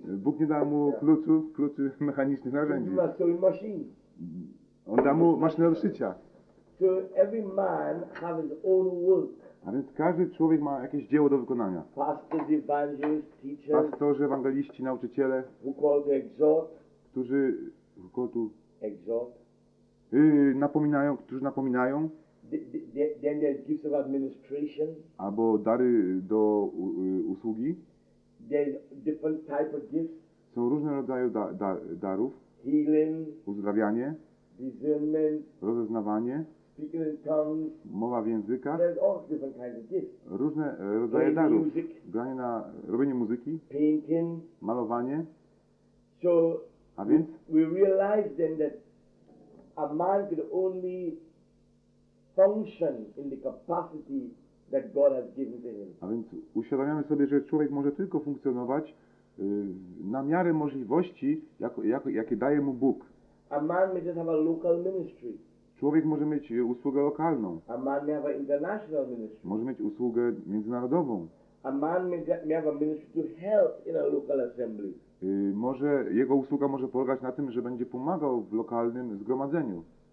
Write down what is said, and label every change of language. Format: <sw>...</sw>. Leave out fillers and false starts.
<pl>Bóg nie da mu kluczy mechanicznych narzędzi.</pl> <en>He'll give him a sewing machine.</en> <pl>On da mu maszynę do szycia.</pl> <en>So every man have his own work.</en> <pl>A więc każdy człowiek ma jakieś dzieło do wykonania.</pl> <en>Pastors, evangelists, teachers,</en> <pl>pastorzy, ewangeliści, nauczyciele,</pl> <en>who call to exhort,</en> <pl>którzy</pl> <en>call to exhort,</en> <pl>napominają, którzy napominają.</pl> <en>Then there's gifts of administration.</en> <pl>Albo dary do usługi.</pl> <en>There's different type of gifts.</en> <pl>Są różne rodzaje darów.</pl> <en>Healing.</en> <pl>Uzdrawianie.</pl> <en>Discernment.</en> <pl>Rozeznawanie.</pl> <en>Speaking in tongues.</en> <pl>Mowa w językach.</pl> <en>There's all different kinds of gifts.</en> <pl>Różne rodzaje darów.</pl> <en>Music.</en> <pl>Granie na robienie muzyki.</pl> <en>Painting.</en> <pl>Malowanie.</pl> <en>So.</en> <pl>A więc.</pl> <en>We realize then that a man could only function in the capacity that God has given to him.</en> <pl>A więc uświadamiamy sobie, że człowiek może tylko funkcjonować na miarę możliwości, jakie daje mu Bóg.</pl> <en>A man may just have a local ministry.</en> <pl>Człowiek może mieć usługę lokalną.</pl> <en>A man may have an international ministry.</en> <pl>Może mieć usługę międzynarodową.</pl> <en>A man may have a ministry to help in a local assembly.</en> <pl>Może jego usługa może polegać na tym, że będzie pomagał w lokalnym zgromadzeniu.</pl>